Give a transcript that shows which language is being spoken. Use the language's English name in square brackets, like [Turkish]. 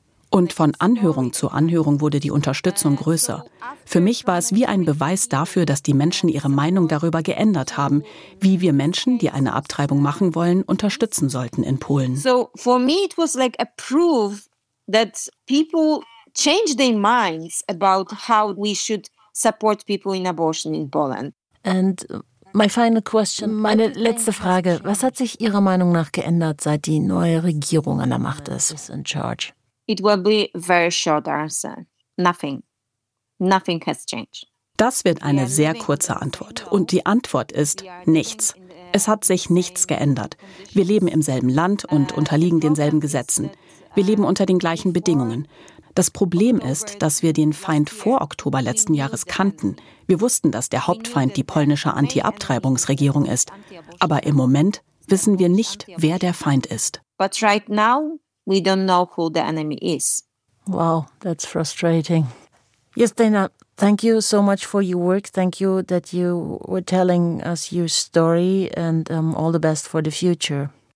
[German] Und von Anhörung zu Anhörung wurde die Unterstützung größer. Für mich war es wie ein Beweis dafür, dass die Menschen ihre Meinung darüber geändert haben, wie wir Menschen, die eine Abtreibung machen wollen, unterstützen sollten in Polen. [English] So for me it was like a proof that people change their minds about how we should support people in abortion in Poland. And my final question, [German] meine letzte Frage. Was hat sich Ihrer Meinung nach geändert, seit die neue Regierung an der Macht ist, [English] in charge? It will be a very short answer. Nothing. Nothing has changed. [German] Das wird eine sehr kurze Antwort. Und die Antwort ist nichts. Es hat sich nichts geändert. Wir leben im selben Land und unterliegen denselben Gesetzen. Wir leben unter den gleichen Bedingungen. Das Problem ist, dass wir den Feind vor Oktober letzten Jahres kannten. Wir wussten, dass der Hauptfeind die polnische Anti-Abtreibungsregierung ist. Aber im Moment wissen wir nicht, wer der Feind ist. [English] But right now we don't know who the enemy is. Wow, that's frustrating. Yes, Dana. Thank you so much for your work. Thank you that you were telling us your story and all the best for the future.